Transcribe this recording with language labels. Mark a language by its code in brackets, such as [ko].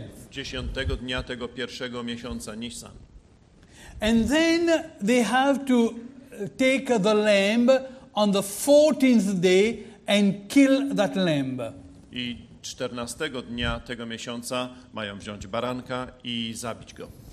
[pl] Dziesiątego dnia tego pierwszego miesiąca Nisan. [en] And then they have to take the lamb on the 14th day and kill that lamb. [pl] I 14 dnia tego miesiąca mają wziąć baranka i zabić go.